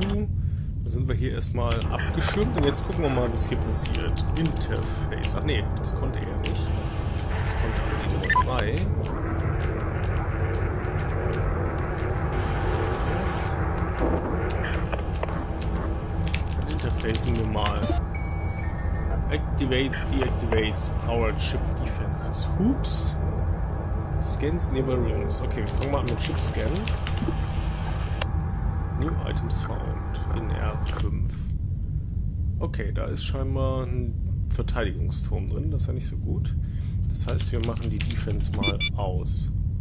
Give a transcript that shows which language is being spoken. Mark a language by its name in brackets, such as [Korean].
[German] Dann sind wir hier erstmal abgeschirmt und jetzt gucken wir mal, was hier passiert. Interface. Ach nee, das konnte er nicht. Das konnte aber die Nummer 3. Interface nehmen wir mal. [English] Activates, deactivates, powered ship defenses. Hoops. Scans nearby rooms. [German] Okay, wir fangen mal an mit Ship Scan. [English] New items found in R5. [German] Okay, da ist scheinbar ein Verteidigungsturm drin. Das ist ja nicht so gut. Das heißt, wir machen die Defense mal aus.